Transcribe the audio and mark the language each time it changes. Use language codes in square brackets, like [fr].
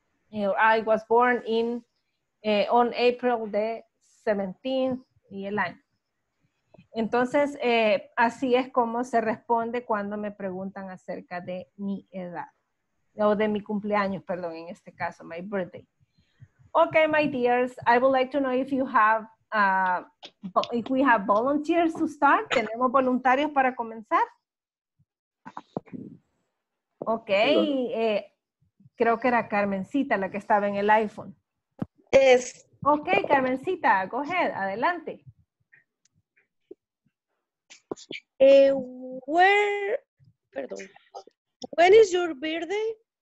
[en] You know, I was born in, on April the 17th, [es] y el año. Entonces, así es como se responde cuando me preguntan acerca de mi edad, o de mi cumpleaños, perdón, en este caso, [en] my birthday. Okay, my dears, I would like to know if you have, if we have volunteers to start. [es] ¿Tenemos voluntarios para comenzar? Okay, creo que era Carmencita la que estaba en el iPhone. [en] Yes. Okay, Carmencita, go ahead, adelante. When is your birthday?